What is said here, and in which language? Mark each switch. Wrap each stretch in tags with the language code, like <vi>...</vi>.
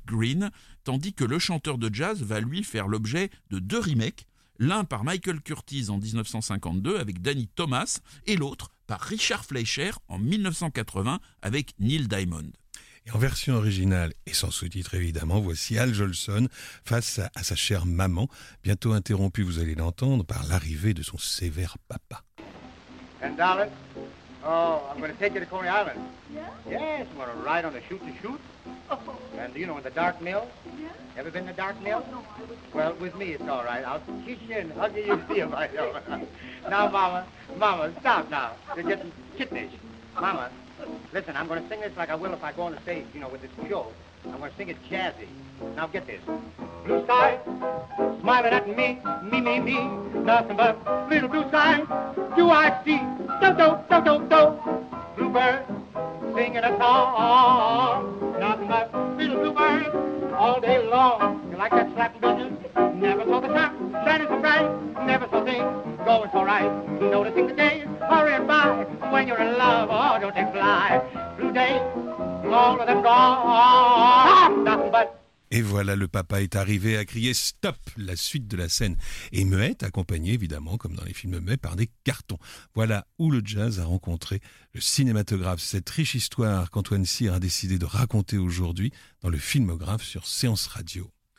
<fr>Green, tandis que Le Chanteur de Jazz va lui faire l'objet de 2 remakes, l'un par Michael Curtiz en 1952 avec Danny Thomas et l'autre par Richard Fleischer en 1980 avec Neil Diamond. Et en version originale et sans sous-titres évidemment, voici Al Jolson face à sa chère maman, bientôt interrompue, vous allez l'entendre, par l'arrivée de son sévère papa.</fr> <en>$10? Oh, I'm going to take you to Coney Island. Yeah? Yes, you want to ride on the shoot-to-shoot? Oh. And you know, in the dark mill? Yeah. Ever been in the dark mill? Oh, no, I was... Well, with me, it's all right. I'll kiss you and hug you if you feel Now, Mama, stop now. You're getting kittenish. Mama, listen, I'm going to sing this like I will if I go on the stage, you know, with this show. I'm going to sing it jazzy. Now, get this. Blue sky, smiling at me, me, me, me. Nothing but little blue sky. Do I see? Do, do, do, do, do. Blue bird, singing a song. Nothing but little blue bird, all day long. You like that slapping business? Never saw the sun, shining so bright. Never saw things going so right. Noticing the days hurrying by. When you're in love, oh, don't they fly? Blue days, all of them gone. Nothing but.</en> <fr>Et voilà, le papa est arrivé à crier « Stop !» la suite de la scène. Et muette, accompagné évidemment, comme dans les films muets, par des cartons. Voilà où le jazz a rencontré le cinématographe. Cette riche histoire qu'Antoine Cyr a décidé de raconter aujourd'hui dans le filmographe sur Séance Radio.</fr>